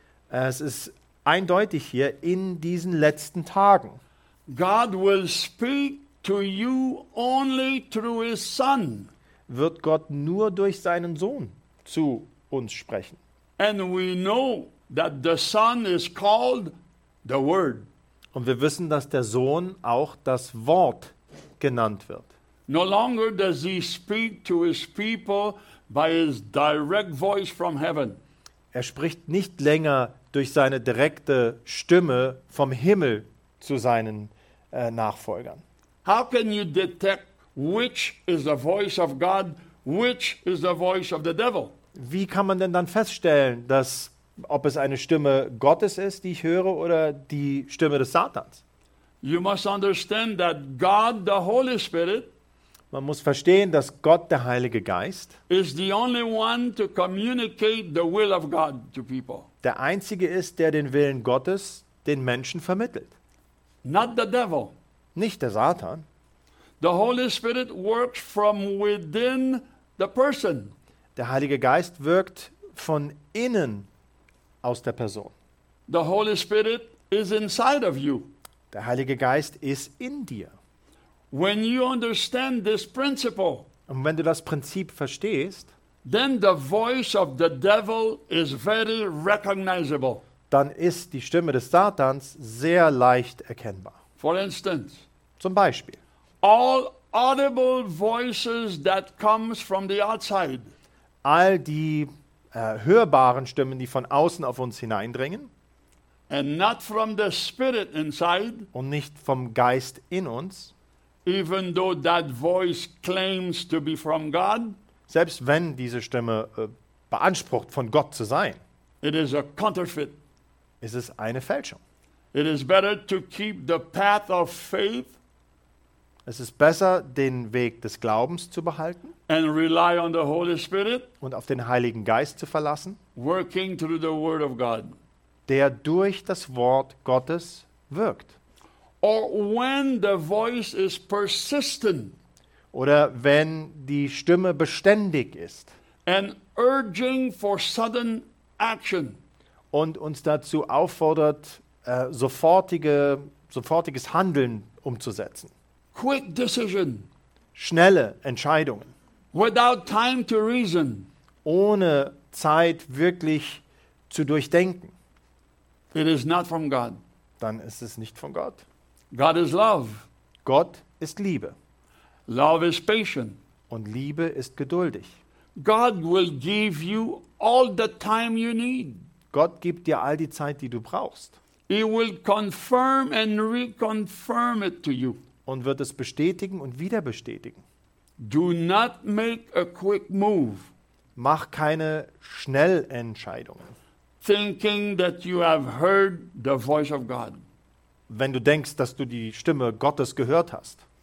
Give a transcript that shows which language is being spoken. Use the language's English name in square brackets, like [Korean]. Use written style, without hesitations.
[German] Es ist eindeutig hier in diesen letzten Tagen. [English] God will speak to you only through his Son. [German] Wird Gott nur durch seinen Sohn zu uns sprechen. [English] And we know that the Son is called the word. [German] Und wir wissen, dass der Sohn auch das Wort genannt wird. [English] No longer does he speak to his people by his direct voice from heaven. [German] Er spricht nicht länger durch seine direkte Stimme vom Himmel zu seinen Nachfolgern. [English] How can you detect which is the voice of God, which is the voice of the devil? [German] Wie kann man denn dann feststellen, dass ob es eine Stimme Gottes ist, die ich höre, oder die Stimme des Satans? [English] You must understand that God, the Holy Spirit, [German] man muss verstehen, dass Gott, der Heilige Geist, [English] is the only one to communicate the will of God to people. [German] Der Einzige ist, der den Willen Gottes den Menschen vermittelt. [English] Not the devil. [German] Nicht der Satan. [English] The Holy Spirit works from within the person. [German] Der Heilige Geist wirkt von innen aus der Person. [English] The Holy Spirit is inside of you. [German] Der Heilige Geist ist in dir. [English] When you understand this principle, [German] und wenn du das Prinzip verstehst, [English] then the voice of the devil is very recognizable. [German] Dann ist die Stimme des Satans sehr leicht erkennbar. [English] For instance, [German] zum Beispiel, [English] all audible voices that comes from the outside, [German] all die hörbaren Stimmen, die von außen auf uns hineindringen, [English] and not from the spirit inside, [German] und nicht vom Geist in uns, [English] even though that voice claims to be from God, [German] selbst wenn diese Stimme beansprucht, von Gott zu sein, [English] it is a counterfeit. [German] Ist es eine Fälschung. [English] It is better to keep the path of faith. [German] Es ist besser, den Weg des Glaubens zu behalten [English] and rely on the Holy Spirit, [German] und auf den Heiligen Geist zu verlassen, [English] working through the word of God. [German] Der durch das Wort Gottes wirkt. [English] Or when the voice is persistent, [German] oder wenn die Stimme beständig ist [English] and urging for sudden action, [German] und uns dazu auffordert, sofortiges Handeln umzusetzen. [English] Quick decision. [German] Schnelle Entscheidungen. [English] Without time to reason. [German] Ohne Zeit wirklich zu durchdenken. [English] It is not from God. [German] Dann ist es nicht von Gott. [English] God is love. [German] Gott ist Liebe. [English] Love is patient. [German] Und Liebe ist geduldig. [English] God will give you all the time you need. [German] Gott gibt dir all die Zeit, die du brauchst. [English] He will confirm and reconfirm it to you. [German] Und wird es bestätigen und wieder bestätigen. [English] Do not make a quick move. [German] Mach keine Schnellentscheidungen. [English] Thinking that you have heard the voice of God. [German] Wenn du denkst, dass du die Stimme Gottes gehört hast.